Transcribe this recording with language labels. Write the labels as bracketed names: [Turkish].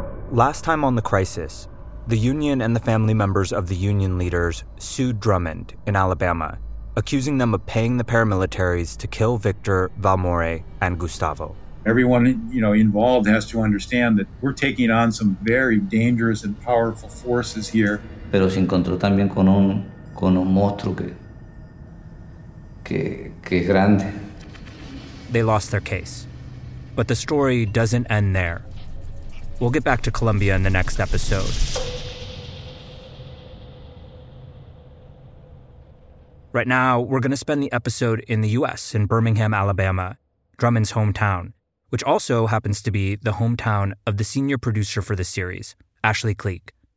[English] Last time on The Crisis, the union and the family members of the union leaders sued Drummond in Alabama, accusing them of paying the paramilitaries to kill Victor, Valmore, and Gustavo. Everyone, you know, involved has to understand that we're taking on some very dangerous and powerful forces here. [Spanish] Pero se encontró también con un monstruo que es grande. [English] They lost their case. But the story doesn't end there. We'll get back to Colombia in the next episode. Right now, we're going to spend the episode in the U.S., in Birmingham, Alabama, Drummond's hometown, which also happens to be the hometown of the senior producer for the series, Ashley Cleek.